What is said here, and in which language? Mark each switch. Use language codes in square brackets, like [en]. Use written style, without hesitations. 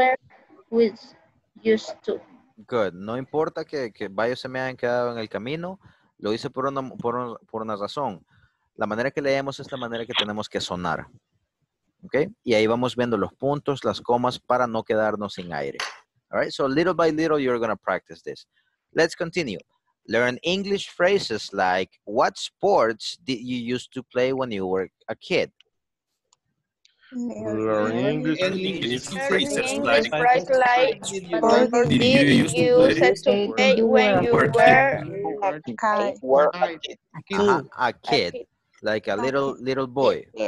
[en] By the end of this class, you will be able to form questions, statements, and short answers with used to. Good. [es] No importa que varios se me hayan quedado en el camino. Lo hice por una razón. La manera que leemos es la manera que tenemos que sonar. Okay? Y ahí vamos viendo los puntos, las comas, para no quedarnos sin aire. [en] All right? So little by little, you're going to practice this. Let's continue. Learn English phrases like, what sports did you used to play when you were a kid? Learn English phrases like, what did you used to play when you were a kid, like a little boy.